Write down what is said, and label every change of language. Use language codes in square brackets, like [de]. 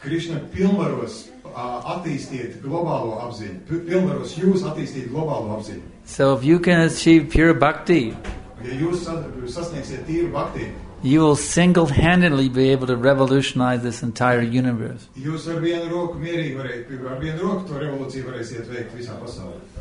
[lv] Krishna pilnvaros attīstīt globālo apziņu. Pilnvaros jūs attīstīt globālo apziņu. [en] So if you can achieve pure bhakti, [lv] ja jūs sasniegsiet tīru bhakti, [en] you will single-handedly be able to revolutionize this entire universe. [lv] Jūs ar vienu roku mierīgi varēt, ar vienu roku to revolūciju varēsiet veikt visā pasaulē.